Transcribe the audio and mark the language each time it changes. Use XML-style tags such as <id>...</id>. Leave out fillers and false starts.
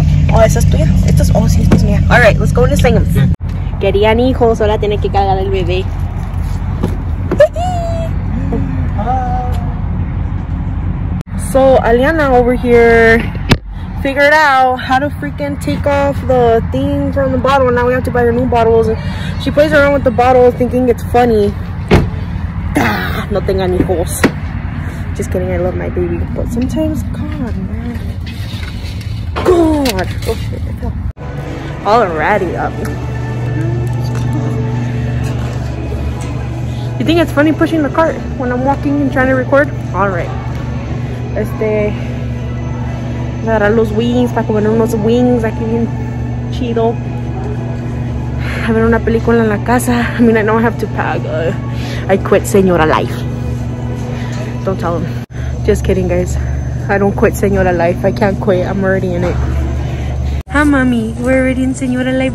<es>Oh, esa es tuya. Esta es, oh, sí, esta es mía.</es> <en>All right, let's go into Sam's.</en> <es>Querían hijos, ahora tiene que cargar el bebé.</es> <en>So, Aliana over here figured out how to freaking take off the thing from the bottle. Now we have to buy her new bottles. She plays around with the bottle thinking it's funny.</en> <es>No tenga ni hijos.</es> <en>Just kidding, I love my baby. But sometimes, God, man. God. Oh shit, I fell. Alrighty, up. You think it's funny pushing the cart when I'm walking and trying to record? Alright.</en> <es>Agarrar los wings, para comer unos wings aquí bien chido. A ver una película en la casa.</es> <en>I mean, I know I have to pack. I quit Señora Life. Don't tell them. Just kidding, guys. I don't quit Señora Life. I can't quit. I'm already in it. Huh, mommy? We're already in Señora Life.</en>